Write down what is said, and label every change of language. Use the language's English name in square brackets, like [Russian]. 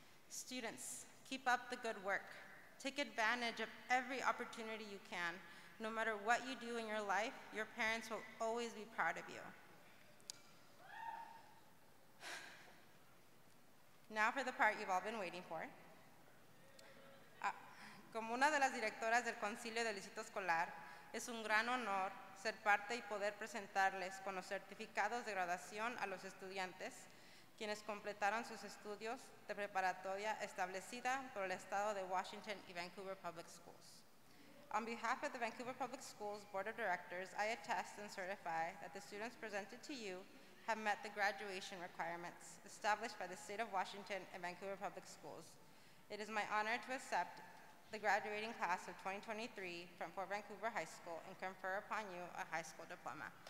[English] Students, keep up the good work. Take advantage of every opportunity you can. No matter what you do in your life, your parents will always be proud of you. Now for the part you've all been waiting for. [Spanish] Como una de las directoras del Concilio del Distrito Escolar, es un gran honor ser parte y poder presentarles con los certificados de graduación a los estudiantes, quienes completaron sus estudios de preparatoria establecida por el Estado de Washington y Vancouver Public Schools. [English] On behalf of the Vancouver Public Schools Board of Directors, I attest and certify that the students presented to you have met the graduation requirements established by the State of Washington and Vancouver Public Schools. It is my honor to accept the graduating class of 2023 from Fort Vancouver High School and confer upon you a high school diploma.